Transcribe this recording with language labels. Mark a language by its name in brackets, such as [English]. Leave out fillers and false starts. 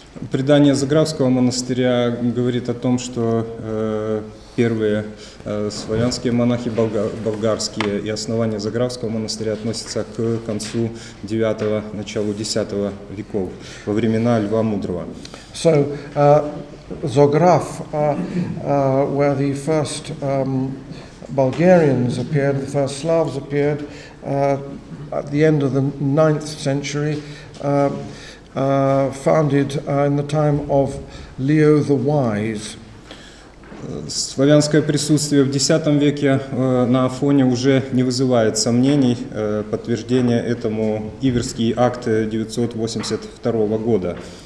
[Russian] Предание Заграфского монастыря говорит о том, что первые славянские монахи болгарские и основание Заграфского монастыря относится к концу 9-го, началу 10-го веков, во времена Льва Мудрого. [English] So, Zograf, where the first Bulgarians appeared, the first Slavs appeared, at the end of the 9th century, founded in the time of Leo the Wise. [Russian] Славянское присутствие в 10 веке на Афоне уже не вызывает сомнений. Подтверждение этому Иверский акт 982 года.